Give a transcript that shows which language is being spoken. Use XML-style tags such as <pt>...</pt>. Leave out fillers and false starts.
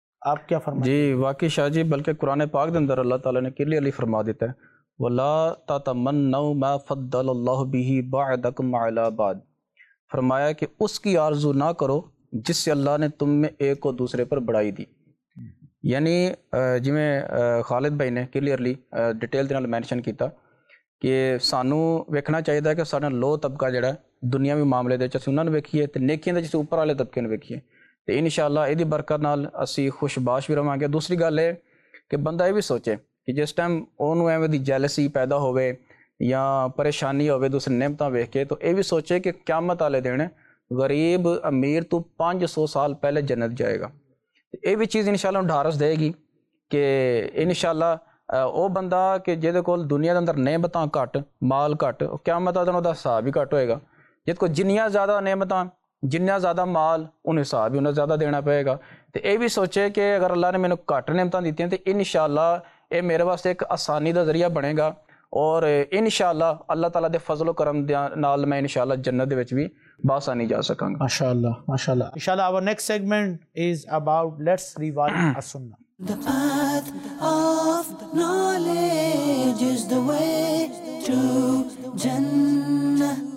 <ur>آپ کیا فرمائیں جی؟ واقعی شاہ جی, بلکہ قرآن پاک کے اندر اللہ تعالیٰ نے کلیئرلی فرما دیتا ہے,</ur> <ar>ولا تتمنوا ما فضل اللہ به بعضکم علی بعض,</ar> <ur>فرمایا کہ اس کی آرزو نہ کرو جس سے اللہ نے تم میں ایک کو دوسرے پر بڑھائی دی.</ur> <pa>یعنی جویں خالد بھائی نے کلیئرلی ڈیٹیل دے نال مینشن کیتا کہ سانو ویکھنا چاہیے کہ سارا لو طبقہ جڑا ہے دنیاوی معاملے دے چاہے انہاں نوں ویکھیے تے نیکیاں دے چاہے اوپر والے طبقے نوں ویکھیے, تے انشاءاللہ ایدی برکت نال اسی خوش باش وی رہاں گے.</pa> <ur>دوسری گل ہے کہ بندہ یہ بھی سوچے کہ جس ٹائم اونوں ایویں دی جیلسی پیدا ہوئے یا پریشانی ہوئے دوسرے نعمتاں ویکھ کے, تو یہ بھی سوچے کہ قیامت والے دن غریب امیر تو 500 سال پہلے جنت جائے گا. یہ بھی چیز انشاءاللہ ڈھارس دے گی کہ انشاءاللہ وہ بندہ کہ جہد کول دنیا دے اندر نعمتاں گھٹ, مال گھٹ, قیامت والے دن وہ حساب بھی گھٹ ہوئے گا.</ur> <pa>جہد کول جنیاں زیادہ نعمتاں, جنیاں زیادہ مال, ان حساب بھی انہیں زیادہ دینا پئے گا.</pa> <ur>تو یہ بھی سوچے کہ اگر اللہ نے مجھے گھٹ نعمتاں دیتی ہیں تو انشاءاللہ یہ میرے واسطے ایک آسانی کا ذریعہ بنے گا, اور انشاءاللہ اللہ تعالیٰ دے فضل و کرم دے نال میں انشاءاللہ جنت دے وچ بھی باسانی جا سکاں گا. ماشاءاللہ انشاءاللہ.</ur> <en>اور next segment is about let's revive السنہ. The path of knowledge is the way to جنہ.</en>